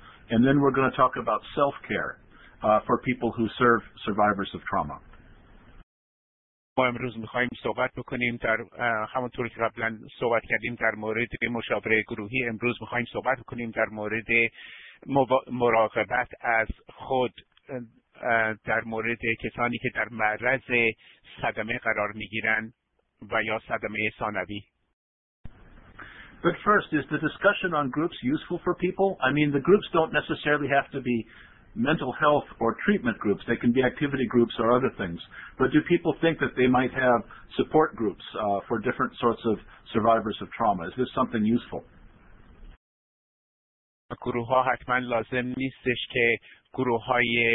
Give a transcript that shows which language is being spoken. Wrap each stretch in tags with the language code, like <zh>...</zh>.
<en>And then we're going to talk about self-care for people who serve survivors of trauma.</en> <fa>ما امروز می‌خوایم صحبت بکنیم در همونطوری که قبلا صحبت کردیم در مورد مشاوره گروهی امروز می‌خوایم صحبت کنیم در مورد مراقبت از خود در مورد کسانی که در معرض صدمه قرار می‌گیرن و یا صدمه ثانوی.</fa> <en>But first, is the discussion on groups useful for people? I mean, the groups don't necessarily have to be mental health or treatment groups. They can be activity groups or other things. But do people think that they might have support groups for different sorts of survivors of trauma? Is this something useful?</en> <fa>گروه ها حتما لازم نیستش که گروه های</fa>